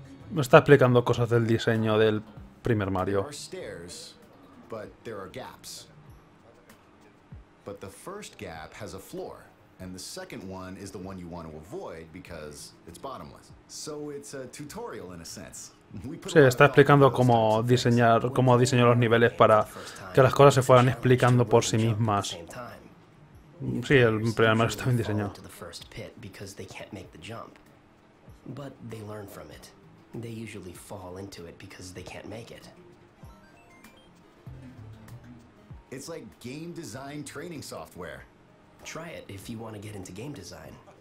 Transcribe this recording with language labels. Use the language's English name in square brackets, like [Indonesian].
[Spanish] Me está explicando cosas del diseño del primer Mario. [English] There are stairs, but there are gaps. But the first gap has a floor, and the second one is the one you want to avoid because it's bottomless. So it's a tutorial in a sense. [Spanish] Sí, está explicando cómo diseñar, cómo diseñó los niveles para que las cosas se fueran explicando por sí mismas. Sí, el primer Mario está bien diseñado. [English] Because they can't make the jump, but they learn from it. They usually fall into it because they can't make it. It's like game design training software. Try it if you want to get into game design.